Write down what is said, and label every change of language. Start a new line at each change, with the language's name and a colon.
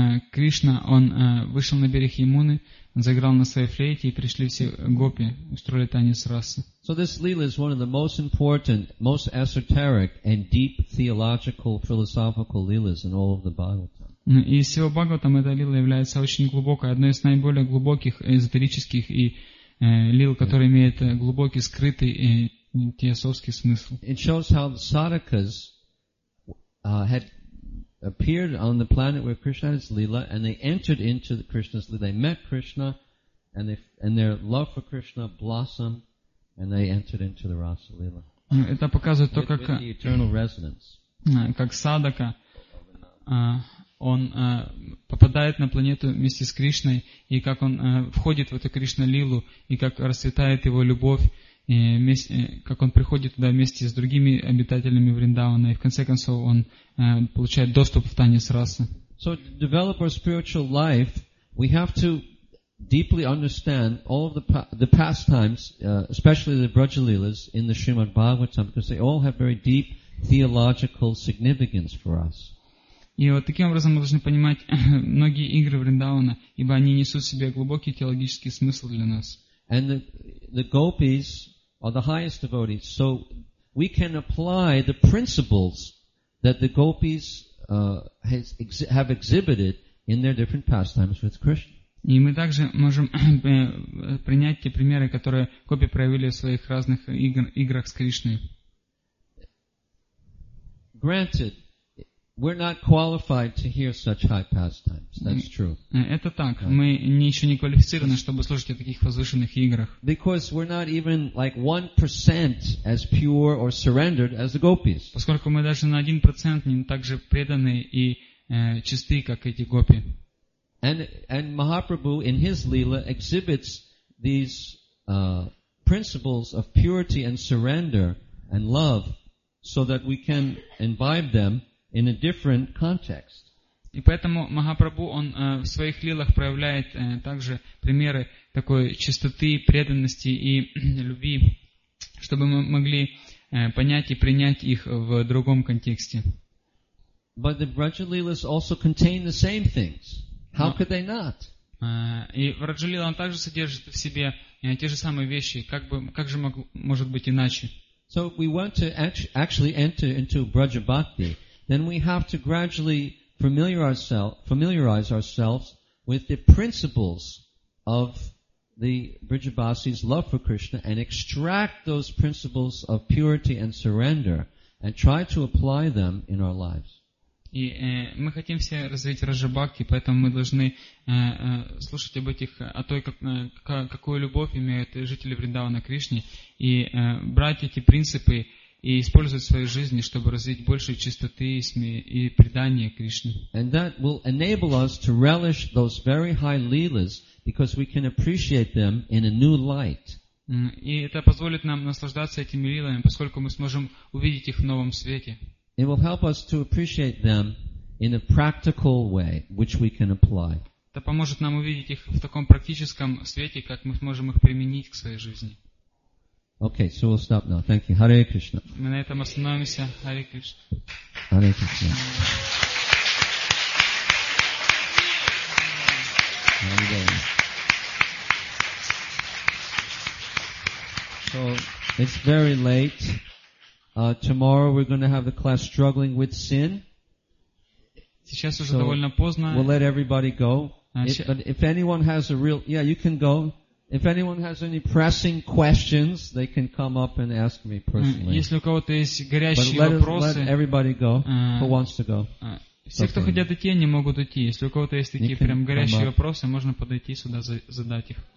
Russian: Кришна, он вышел на берег Ямуны, заиграл на своей флейте, и пришли все гопи, устроили танец Раса.
English: So this Lila is one of the most important, most esoteric and deep theological, philosophical Lilas in all of the Bible.
Russian: И из всего Бхагаватам эта лила является очень глубокой, одной из наиболее глубоких эзотерических и лил, которая имеет глубокий, скрытый и теософский смысл.
English: It shows how the sadhakas had appeared on the planet where Krishna had his lila, and they entered into the Krishna's lila. They met Krishna, and their love for Krishna blossomed, and they entered into the Rasa lila.
Russian: Это показывает то, как
English: the eternal resonance.
Russian: Как садака. Он попадает на планету вместе с Кришной, и как он входит в эту Кришна-лилу, и как расцветает его любовь, и как он приходит туда вместе с другими обитателями Вриндавана, и в конце концов он получает доступ в танец Расы.
English: So to develop our spiritual life, we have to deeply understand all of the pastimes, especially the Brajalilas in the Srimad Bhagavatam, because they all have very deep theological significance for us.
Russian: И вот таким образом мы должны понимать многие игры Вриндавана, ибо они несут в себе глубокий теологический смысл для нас.
English: And the gopis are the highest devotees, so we can apply the principles that the gopis have exhibited in their different pastimes with Krishna.
Russian: И мы также можем принять те примеры, которые гопи проявили в своих разных играх с Кришной.
English: Granted, we're not qualified to hear such high pastimes. That's true.
Russian: Это так. Мы еще не квалифицированы, чтобы слушать о таких возвышенных играх.
English: Because we're not even like 1% as pure or surrendered as the gopis.
Russian: Поскольку мы даже на 1% не так же преданы и чисты, как эти гопи.
English: And Mahaprabhu in his lila exhibits these principles of purity and surrender and love, so that we can imbibe them in a different context.
Russian: И поэтому Махапрабху, он в своих лилах проявляет также примеры такой чистоты, преданности и любви, чтобы мы могли понять и принять их в другом контексте.
English: But the Brajalilas also contain the same things. How could they not?
Russian: И Брajalila также содержит в себе те же самые вещи. Как же может быть иначе?
English: So we want to actually enter into Braja Bhakti. Then we have to gradually familiarize ourselves with the principles of the Vrijabhasi's love for Krishna and extract those principles of purity and surrender and try to apply them in our lives.
Russian: И мы хотим все развить Раджабхакти, поэтому мы должны слушать об этих, о той, какую любовь имеют жители Вриндавана Кришне, и брать эти принципы и использовать в своей жизни, чтобы развить больше чистоты и предания Кришне.
English: And that will enable us to relish those very high leelas, because we can appreciate them in a new light.
Russian: И это позволит нам наслаждаться этими лилами, поскольку мы сможем увидеть их в новом свете.
English: It will help us to appreciate them in a practical way, which we can apply.
Russian: Это поможет нам увидеть их в таком практическом свете, как мы сможем их применить к своей жизни.
English: Okay, so we'll stop now. Thank you. Hare Krishna.
Russian: Мы на этом остановимся. Hare Krishna.
English: Hare Krishna. So it's very late. Tomorrow we're going to have a class struggling with sin.
Russian: Сейчас уже довольно поздно.
English: We'll let everybody go. But if anyone has a real, yeah, you can go. If anyone has any pressing questions, they can come up and ask me personally.
Russian: Если у кого-то есть горящие вопросы,
English: let everybody go who wants to go.
Russian: Все, кто хотят идти, они могут уйти. Если у кого-то есть такие прям горящие вопросы, можно подойти сюда задать их.